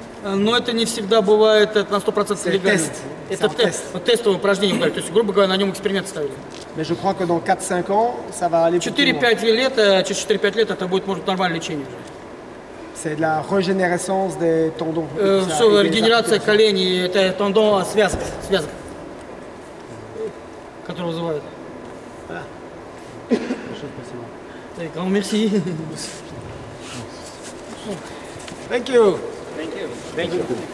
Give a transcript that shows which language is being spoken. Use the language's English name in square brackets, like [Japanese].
[Russian] Но это не всегда бывает на 100% легально. [French] C'est [Russian] тест. Это тестовое упражнение, то есть, грубо говоря, на нем эксперимент ставили. [French] Mais je crois que dans 4-5 ans, ça va aller... [Russian] 4-5 лет, через 4-5 лет это будет, может, нормальное лечение. [French] C'est la régénérescence des tendons. [Russian] Все, регенерация коленей, это тендон, связка. Которую вызывают. Так, вам merci. [English] Thank you. Thank you. Thank you.